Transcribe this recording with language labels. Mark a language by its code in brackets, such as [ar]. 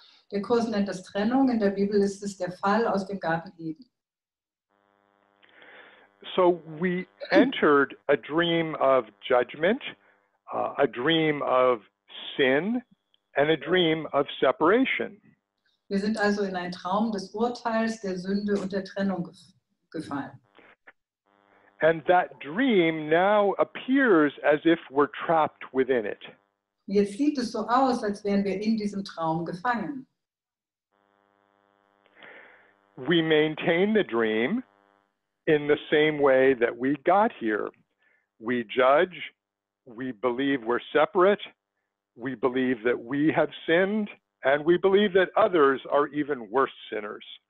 [de] Der Kurs nennt das Trennung. In der Bibel ist es der Fall aus dem Garten Eden. [en] So we entered a dream of judgment, a dream of sin, and a dream of separation. [de] Wir sind also in einen Traum des Urteils, der Sünde und der Trennung gefallen. [en] And that dream now appears as if we're trapped within it. [de] Jetzt sieht es so aus, als wären wir in diesem Traum gefangen. [en] We maintain the dream in the same way that we got here. We judge, we believe we're separate, we believe that we have sinned, and we believe that others are even worse sinners.